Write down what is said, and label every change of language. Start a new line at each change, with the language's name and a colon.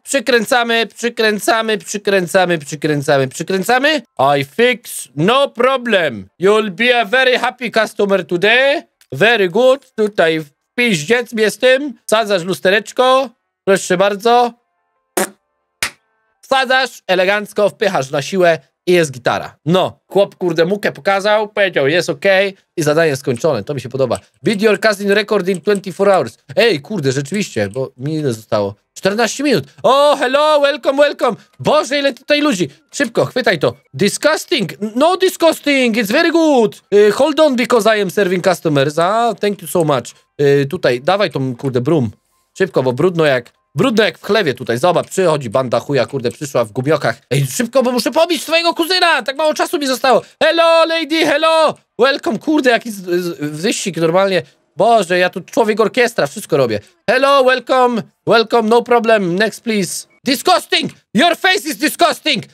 Polish: Przykręcamy, przykręcamy, przykręcamy, przykręcamy, przykręcamy.
English: I fix, no problem. You'll be a very happy customer today. Very good.
Polish: Tutaj piździec mnie z tym. Wsadzasz lustereczko. Proszę bardzo. Wsadzasz elegancko, wpychasz na siłę i jest gitara. No, chłop kurde mukę pokazał, powiedział, jest okej. I zadanie skończone, to mi się podoba.
English: Beat your cousin record in 24 hours.
Polish: Ej, kurde, rzeczywiście, bo mi nie zostało. 14 minut.
English: O, oh, hello, welcome, welcome.
Polish: Boże, ile tutaj ludzi. Szybko, chwytaj to.
English: Disgusting. No disgusting, it's very good. Hold on, because I am serving customers. Ah, thank you so much.
Polish: Tutaj, dawaj tą, kurde,
English: broom.
Polish: Szybko, bo brudno jak w chlewie tutaj. Zobacz, przychodzi banda chuja, kurde, przyszła w gumiokach. Ej, szybko, bo muszę pobić twojego kuzyna. Tak mało czasu mi zostało.
English: Hello, lady, hello.
Polish: Welcome, kurde, jaki wyścig normalnie. Boże, ja tu człowiek orkiestra, wszystko robię.
English: Hello, welcome, welcome, no problem, next please. Disgusting, your face is disgusting.